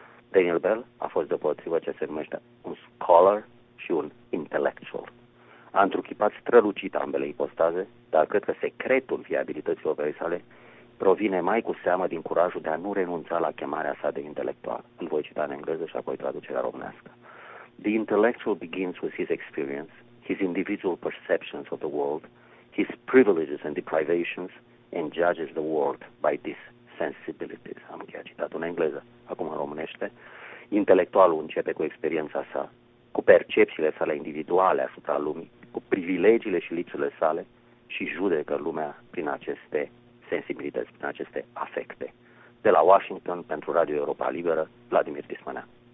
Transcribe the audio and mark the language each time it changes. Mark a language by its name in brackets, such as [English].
[Romanian] Daniel Bell a fost deopotrivă ce se numește un scholar și un intellectual. A întruchipat strălucit ambele ipostaze, dar cred că secretul viabilității operei sale provine mai cu seamă din curajul de a nu renunța la chemarea sa de intelectual. Îl voi cita în engleză și apoi traducerea românească. [English] The intellectual begins with his experience, his individual perceptions of the world, his privileges and deprivations, and judges the world by these sensibilities. [Romanian] Am chiar citat în engleză, acum în românește. Intelectualul începe cu experiența sa, cu percepțiile sale individuale asupra lumii, cu privilegiile și lipsurile sale și judecă lumea prin aceste sensibilități, prin aceste afecte. De la Washington, pentru Radio Europa Liberă, Vladimir Tismănean.